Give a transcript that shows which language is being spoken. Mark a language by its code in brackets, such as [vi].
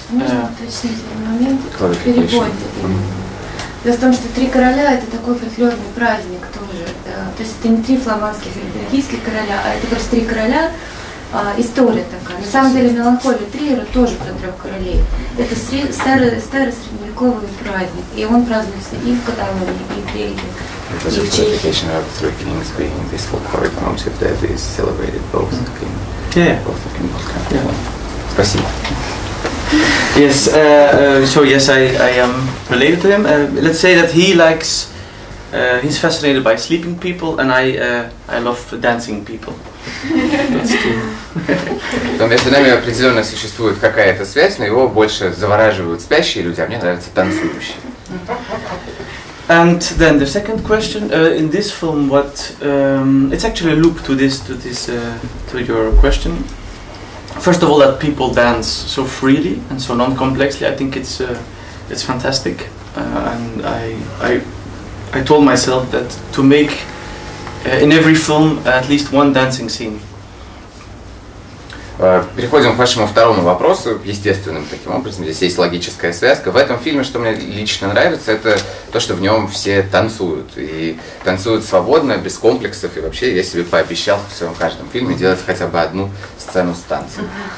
[ru] Можно уточнить этот момент в переводе? Дело в том, что «Три короля» — это такой фольклорный праздник тоже. То есть это не три фламандских или бельгийских короля, а это просто «Три короля». История такая. На самом деле «Меланхолия Триера» тоже про трех королей. Это старый средневековый праздник, и он празднуется и в Каталонии, и в Бельгии. [en] It was a clarification of three kings being this folkloric motif that is celebrated both in both kingdoms. [ru] Спасибо. [en] Yes. I am related to him. Let's say that he's fascinated by sleeping people, and I love dancing people. [ru] Но между нами определенно существует какая-то связь, но его больше завораживают спящие люди, а мне нравятся танцующие. [en] And then the second question in this film, what it's actually a loop to your question. First of all, that people dance so freely and so non-complexly, I think it's fantastic. And I told myself that to make in every film at least one dancing scene. [ru] Переходим к вашему второму вопросу, естественным таким образом, здесь есть логическая связка. В этом фильме, что мне лично нравится, это то, что в нем все танцуют. И танцуют свободно, без комплексов. И вообще, я себе пообещал в своем каждом фильме делать хотя бы одну сцену с танцем.